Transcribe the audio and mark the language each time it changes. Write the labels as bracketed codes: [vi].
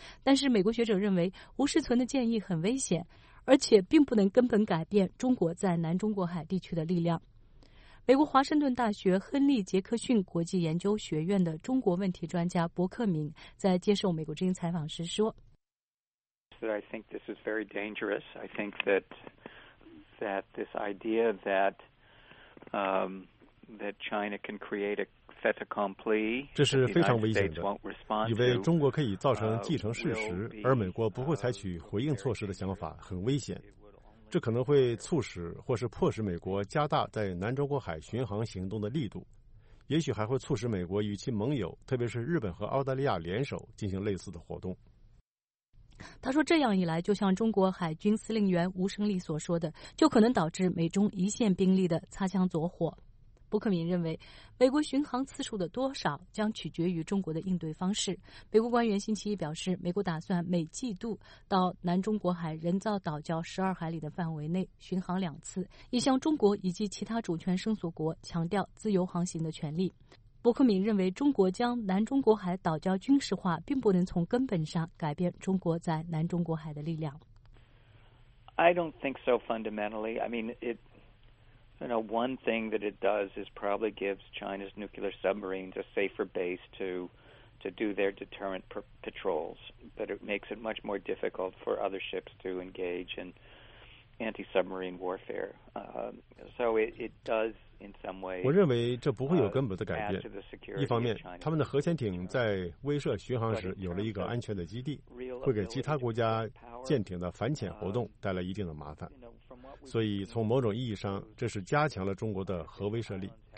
[zh] 但是美国学者认为，吴世存的建议很危险，而且并不能根本改变中国在南中国海地区的力量。美国华盛顿大学亨利·杰克逊国际研究学院的中国问题专家伯克明在接受美国之音采访时说 [en] I think this is very dangerous. I think that this idea that China can create a fait accompli, [zh] 这是非常危险的，以为中国可以造成既成事实而美国不会采取回应措施的想法很危险。这可能会促使或是迫使美国加大在南中国海巡航行动的力度，也许还会促使美国与其盟友，特别是日本和澳大利亚联手进行类似的活动。他说，这样一来，就像中国海军司令员吴胜利所说的，就可能导致美中一线兵力的擦枪走火。伯克明认为，美国巡航次数的多少将取决于中国的应对方式。美国官员星期一表示，美国打算每季度到南中国海人造岛礁12海里的范围内巡航2次，以向中国以及其他主权生索国强调自由航行的权利。伯克明认为，中国将南中国海岛礁军事化并不能从根本上改变中国在南中国海的力量。 [en] I don't think so fundamentally. I mean, it... You know, one thing that it does is probably gives China's nuclear submarines a safer base to do their deterrent patrols, but it makes it much more difficult for other ships to engage in anti-submarine warfare. So it does in some ways. [zh] 我认为这不会有根本的改变。一方面，他们的核潜艇在威慑巡航时有了一个安全的基地，会给其他国家舰艇的反潜活动带来一定的麻烦。所以从某种意义上，这是加强了中国的核威慑力。